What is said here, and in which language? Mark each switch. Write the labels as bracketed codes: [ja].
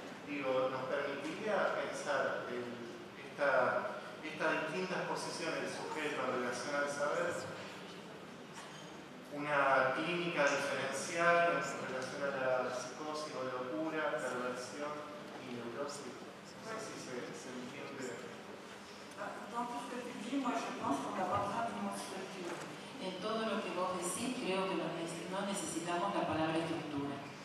[es] Digo, nos permitiría pensar estas distintas posiciones del sujeto en relación al saber, una clínica diferencial en relación a la psicosis o locura, perversión y neurosis. No sé si se entiende. [fr] Dans tout ce que tu dis, moi je pense qu'on n'a pas besoin du mot structure. [es] En todo lo que vos decís, creo que no necesitamos la palabra estructura.